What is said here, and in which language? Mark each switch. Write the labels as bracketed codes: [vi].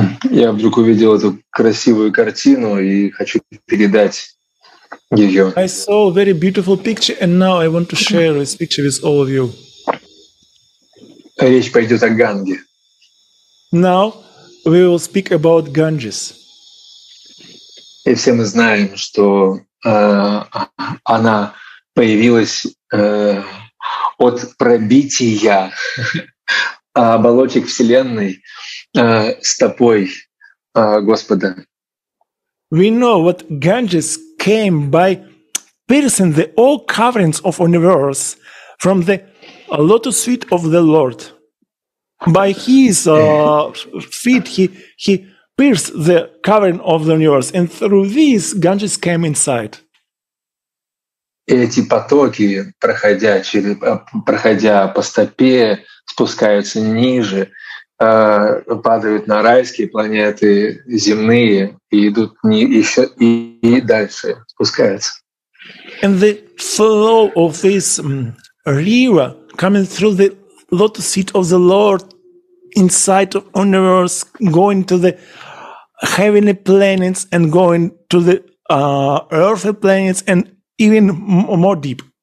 [ru] Я вдруг увидел эту красивую картину и хочу передать ее. [en] I saw a very beautiful picture, and now I want to share this picture with all of you. [ru] Речь пойдет о Ганге. [en] Now we will speak about Ganges. [ru] И все мы знаем, что она появилась от пробития оболочек Вселенной стопой Господа. [en] We know what Ganges came by piercing the all coverings of universe from the lotus feet of the Lord. By his feet, he pierced the covering of the universe, and through this, Ganges came inside. [ru] Эти потоки, проходя по стопе, спускаются ниже, падают на райские планеты, земные, и идут не еще и дальше, спускаются. [en] And the flow of this rira coming through the lotus feet of the Lord inside of universe, going to the heavenly planets and going to the earthly planets and even more deep.